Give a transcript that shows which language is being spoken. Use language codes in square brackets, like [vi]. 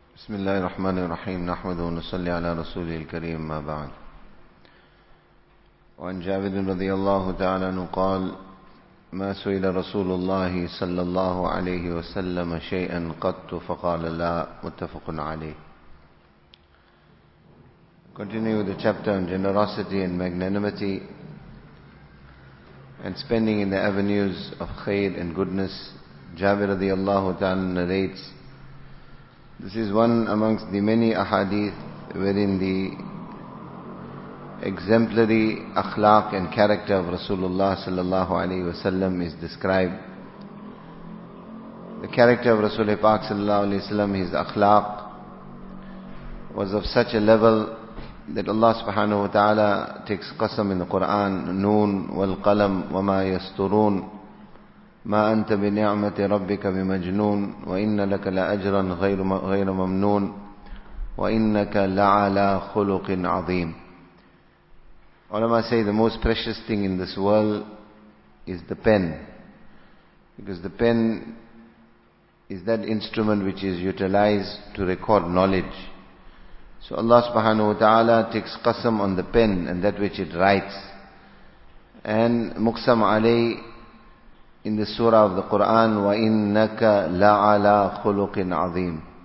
[ar] بسم الله الرحمن الرحيم نحمد ونصلي على رسوله الكريم ما بعد. وعن جابر رضي الله تعالى قال ما سئل رسول الله صلى الله عليه وسلم شيئا قط فقال لا. متفق عليه. [en] Continue with the chapter on generosity and magnanimity and spending in the avenues of khair and goodness. Jabir [ar] رضي الله تعالى [en] narrates, this is one amongst the many ahadith wherein the exemplary akhlaq and character of Rasulullah sallallahu alaihi wasallam is described. The character of Rasulullah Pak sallallahu alaihi wasallam, his akhlaq was of such a level that Allah subhanahu wa ta'ala takes qasam in the Quran, [ar] noon wal qalam wa ma yasturun. ما أنت بنعمة ربك بمجنون وإن لك لأجرا غير ممنون وإنك لعلى خلق عظيم. [en] Ulama say the most precious thing in this world is the pen, because the pen is that instrument which is utilized to record knowledge. So Allah subhanahu wa ta'ala takes qasam on the pen and that which it writes, and muqsam alayh in the surah of the Quran, [ar] وَإِنَّكَ لَعَلَىٰ خُلُقٍ عَظِيمٍ.